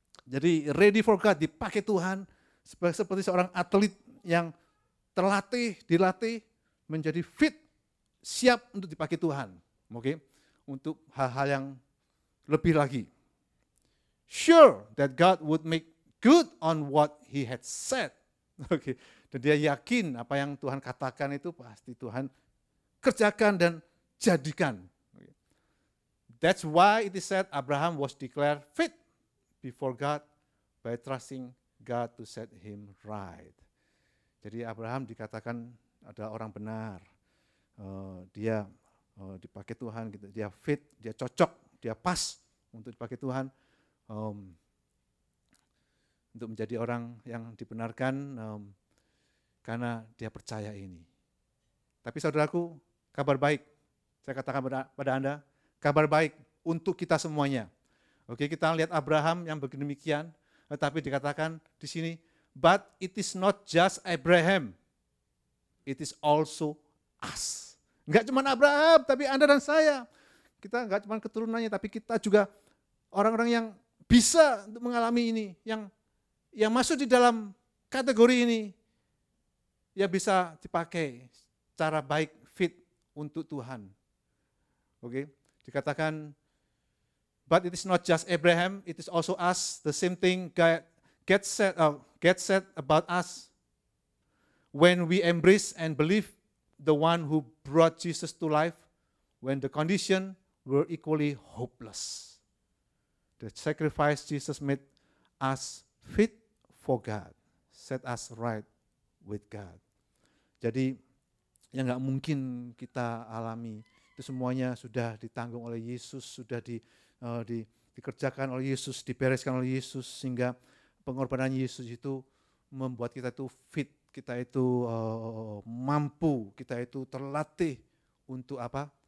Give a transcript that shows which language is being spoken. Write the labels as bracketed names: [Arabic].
[Indonesian] Jadi [English] ready for God, [Indonesian] dipakai Tuhan seperti seorang atlet yang terlatih, dilatih, menjadi fit, siap untuk dipakai Tuhan. Okay? Untuk hal-hal yang lebih lagi. [English] Sure that God would make good on what he had said. Okay. [Indonesian] Dan dia yakin apa yang Tuhan katakan itu pasti Tuhan kerjakan dan jadikan. [English] That's why it is said Abraham was declared fit before God by trusting God to set him right. [Indonesian] Jadi Abraham dikatakan ada orang benar. Dia dipakai Tuhan, gitu. Dia fit, dia cocok, dia pas untuk dipakai Tuhan untuk menjadi orang yang dibenarkan karena dia percaya ini. Tapi saudaraku, kabar baik. Saya katakan pada Anda, kabar baik untuk kita semuanya. Oke, kita lihat Abraham yang begini demikian, tetapi dikatakan di sini, [English] but it is not just Abraham, it is also us. [Indonesian] Enggak cuma Abraham, tapi Anda dan saya. Kita enggak cuma keturunannya, tapi kita juga orang-orang yang bisa untuk mengalami ini, yang yang masuk di dalam kategori ini, ya bisa dipakai cara baik, fit untuk Tuhan. Oke, dikatakan, [English] but it is not just Abraham, it is also us, the same thing get said about us when we embrace and believe the one who brought Jesus to life when the condition were equally hopeless. The sacrifice Jesus made us fit for God, set us right with God. [Indonesian] Jadi yang enggak mungkin kita alami itu semuanya sudah ditanggung oleh Yesus, sudah dikerjakan oleh Yesus, dibereskan oleh Yesus, sehingga pengorbanan Yesus itu membuat kita itu fit, kita itu mampu, kita itu terlatih untuk apa?